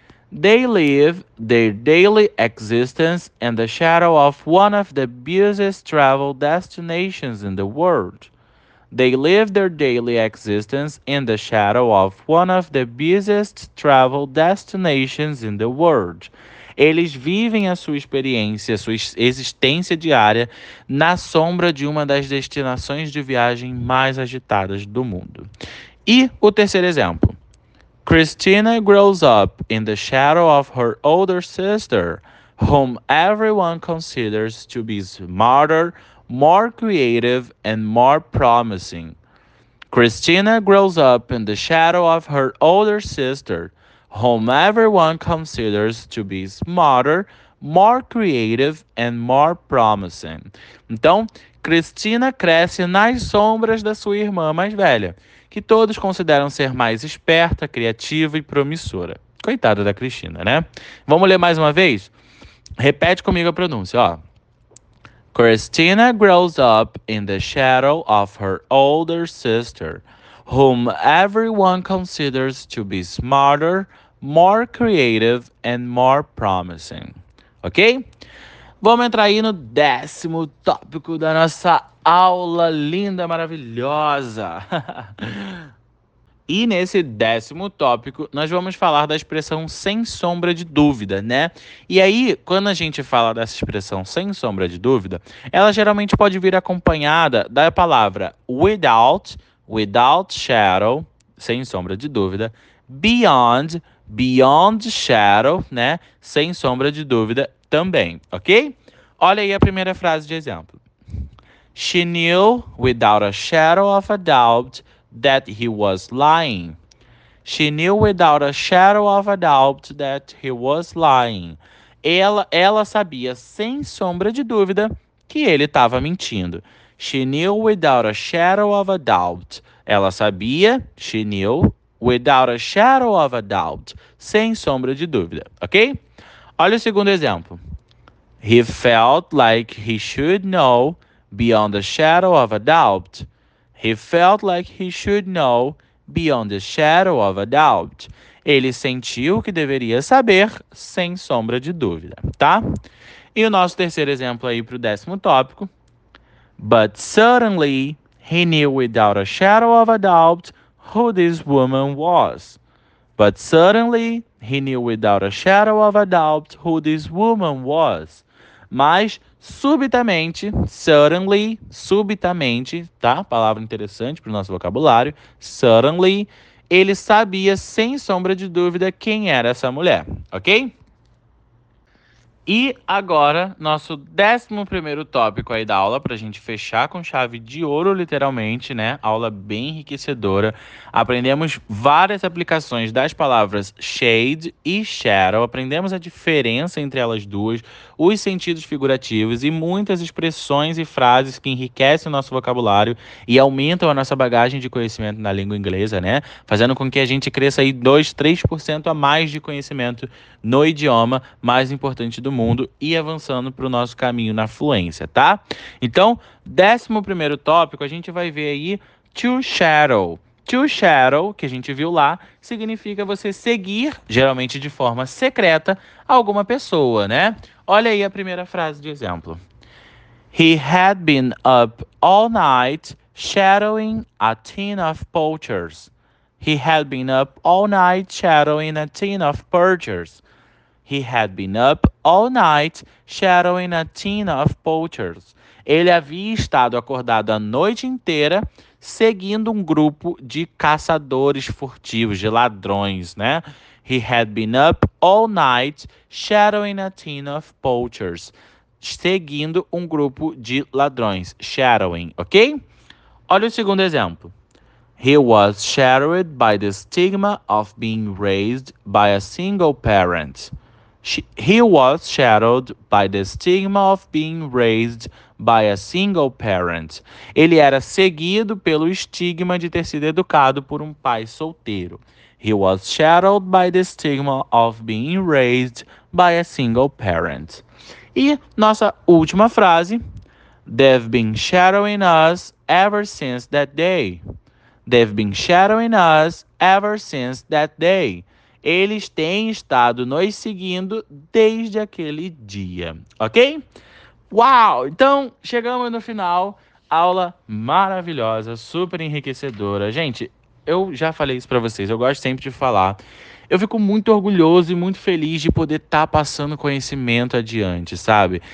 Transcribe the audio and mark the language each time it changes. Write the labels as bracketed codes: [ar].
[en] They live their daily existence in the shadow of one of the busiest travel destinations in the world. They live their daily existence in the shadow of one of the busiest travel destinations in the world. [pt] Eles vivem a sua experiência, a sua existência diária, na sombra de uma das destinações de viagem mais agitadas do mundo. E o terceiro exemplo. [en] Christina grows up in the shadow of her older sister, whom everyone considers to be smarter, more creative and more promising. Christina grows up in the shadow of her older sister, whom everyone considers to be smarter, more creative and more promising. [pt] Então, Christina cresce nas sombras da sua irmã mais velha, que todos consideram ser mais esperta, criativa e promissora. Coitada da Christina, né? Vamos ler mais uma vez? Repete comigo a pronúncia, ó. [en] Christina grows up in the shadow of her older sister, whom everyone considers to be smarter, more creative and more promising. [pt] Ok? Vamos entrar aí no décimo tópico da nossa aula linda, maravilhosa. E nesse décimo tópico, nós vamos falar da expressão sem sombra de dúvida, né? E aí, quando a gente fala dessa expressão sem sombra de dúvida, ela geralmente pode vir acompanhada da palavra [en] without shadow, [pt] sem sombra de dúvida, [en] beyond shadow, [pt] né? Sem sombra de dúvida também, ok? Olha aí a primeira frase de exemplo. [en] She knew without a shadow of a doubt that he was lying. She knew without a shadow of a doubt that he was lying. [pt] Ela sabia sem sombra de dúvida que ele estava mentindo. [en] She knew without a shadow of a doubt. [pt] Ela sabia, [en] she knew without a shadow of a doubt, [pt] sem sombra de dúvida, ok? Olha o segundo exemplo. [en] He felt like he should know beyond the shadow of a doubt. He felt like he should know beyond the shadow of a doubt. [pt] Ele sentiu que deveria saber, sem sombra de dúvida, tá? E o nosso terceiro exemplo aí para o décimo tópico. [en] But suddenly, he knew without a shadow of a doubt who this woman was. But suddenly, he knew without a shadow of a doubt who this woman was. [pt] Mas, subitamente, suddenly, subitamente, tá? Palavra interessante para o nosso vocabulário. Suddenly, ele sabia, sem sombra de dúvida, quem era essa mulher, ok? E agora, nosso 11º tópico aí da aula, para a gente fechar com chave de ouro, literalmente, né? Aula bem enriquecedora. Aprendemos várias aplicações das palavras shade e shadow. Aprendemos a diferença entre elas duas, os sentidos figurativos e muitas expressões e frases que enriquecem o nosso vocabulário e aumentam a nossa bagagem de conhecimento na língua inglesa, né? Fazendo com que a gente cresça aí 2, 3% a mais de conhecimento no idioma mais importante do mundo e avançando para o nosso caminho na fluência, tá? Então, 11º tópico, a gente vai ver aí to shadow. To shadow, que a gente viu lá, significa você seguir, geralmente de forma secreta, alguma pessoa, né? Olha aí a primeira frase de exemplo. [en] He had been up all night shadowing a team of poachers. He had been up all night shadowing a team of poachers. He had been up all night shadowing a team of poachers. [pt] Ele havia estado acordado a noite inteira seguindo um grupo de caçadores furtivos, de ladrões, né? [en] He had been up all night shadowing a team of poachers. [pt] Seguindo um grupo de ladrões, shadowing, ok? Olha o segundo exemplo. [en] He was shadowed by the stigma of being raised by a single parent. He was shadowed by the stigma of being raised by a single parent. [pt] Ele era seguido pelo estigma de ter sido educado por um pai solteiro. [en] He was shadowed by the stigma of being raised by a single parent. [pt] E nossa última frase. [en] They've been shadowing us ever since that day. They've been shadowing us ever since that day. [pt] Eles têm estado nos seguindo desde aquele dia, ok? Uau! Então, chegamos no final. Aula maravilhosa, super enriquecedora. Gente, eu já falei isso para vocês, eu gosto sempre de falar. Eu fico muito orgulhoso e muito feliz de poder estar passando conhecimento adiante, sabe?